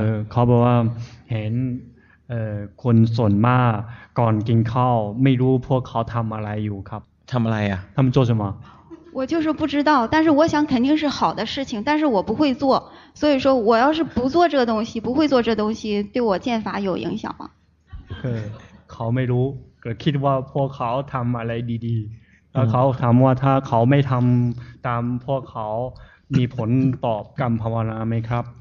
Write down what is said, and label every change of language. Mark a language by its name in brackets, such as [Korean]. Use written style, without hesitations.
[Thai] เขาบอกว่าเห็นคนส่วนมากก่อนกินข้าวไม่รู้พวกเขาทำอะไรอยู่ครับ ทำอะไรอ่ะ [Chinese] ทำ做什么我就是不知道但是我想肯定是好的事情但是我不会做所以说我要是不做这个东西不会做这东西对我剑法有影响吗 [Thai] เขาไม่รู้ก็คิดว่าพวกเขาทำอะไรดีๆแล้วเขาถามว่าถ้าเขาไม่ทำตามพวกเขามีผลตอบกรรมภาวนาไหมครับ